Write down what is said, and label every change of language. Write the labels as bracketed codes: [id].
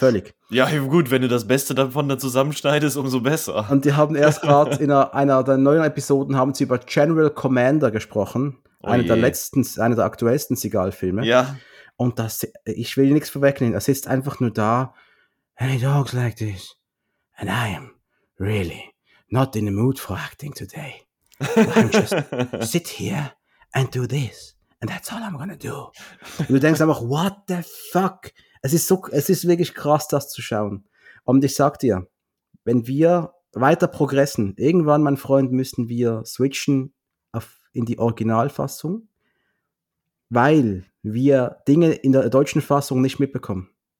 [de] Völlig. Ja, gut, wenn du das Beste davon dann zusammenschneidest, umso besser. Und die haben erst gerade in einer der neuen Episoden haben sie über General Commander gesprochen. Oh einer der letzten, einer der aktuellsten Seagal-Filme. Ja. Und das, ich will nichts vorwegnehmen. Er sitzt einfach nur da. [en] And he talks like this. And I am really not in the mood for acting today. I'm just sit here and do this. And that's all I'm gonna do. [de] Und du denkst einfach, [en] what the fuck? [de] Es ist wirklich krass, das zu schauen. Und ich sag dir, wenn wir weiter progressen, irgendwann, mein Freund, müssen wir switchen in die Originalfassung, weil wir Dinge in der deutschen Fassung nicht mitbekommen.